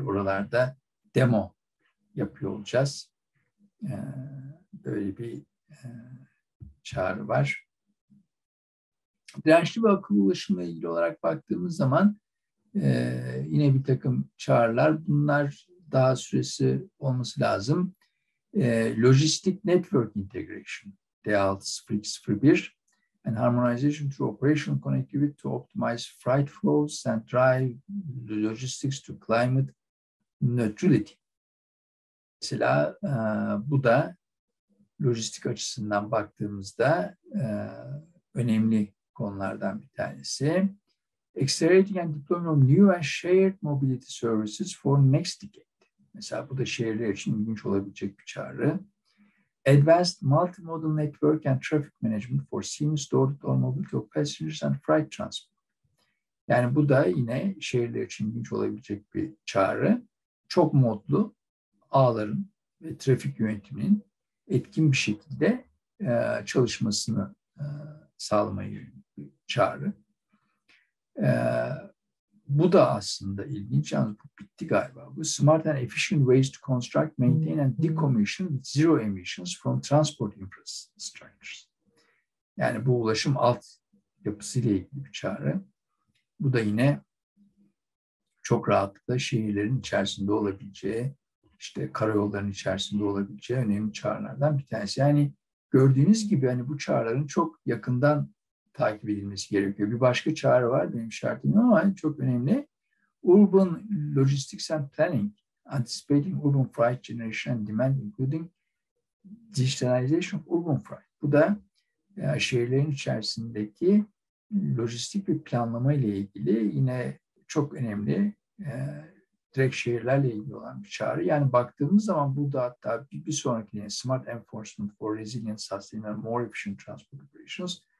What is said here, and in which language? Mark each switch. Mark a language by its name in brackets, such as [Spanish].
[Turkish] Oralarda demo yapıyor olacağız. Böyle bir çağrı var. Dirençli ve akıllı ulaşımla ilgili olarak baktığımız zaman yine bir takım çağrılar. Bunlar daha süresi olması lazım. [English] Logistic Network Integration, D6001, and Harmonization through Operational Connectivity to Optimize Freight Flows and Drive Logistics to Climate Neutrality. [Turkish] Mesela bu da lojistik açısından baktığımızda önemli konulardan bir tanesi. [English] Accelerating and deploying of new and shared mobility services for next decade. [Turkish] Mesela bu da şehirler için ilginç olabilecek bir çağrı. [English] Advanced multimodal network and traffic management for seamless door-to-door mobility of passengers and freight transport. [Turkish] Yani bu da yine şehirler için ilginç olabilecek bir çağrı. Çok modlu ağların ve trafik yönetiminin etkin bir şekilde çalışmasını sağlamayı bir çağrı. Bu da aslında ilginç. Yalnız bu bitti galiba. [English] Bu smart and efficient ways to construct, maintain and decommission zero emissions from transport infrastructures. [Turkish] Yani bu ulaşım alt yapısıyla ilgili bir çağrı. Bu da yine çok rahatlıkla şehirlerin içerisinde olabileceği, işte karayolların içerisinde olabileceği önemli çağrılardan bir tanesi. Yani gördüğünüz gibi hani bu çağrıların çok yakından takip edilmesi gerekiyor. Bir başka çağrı var benim şartım ama çok önemli. [English] Urban Logistics and Planning, Anticipating Urban Freight Generation and Demand, including Digitalization of Urban Freight. [Turkish] Bu da şehirlerin içerisindeki lojistik bir planlama ile ilgili yine çok önemli, direkt şehirlerle ilgili olan bir çağrı. Yani baktığımız zaman burada hatta bir sonraki yine [English] Smart Enforcement for Resilient, Sustainable and More Efficient Transport Operations.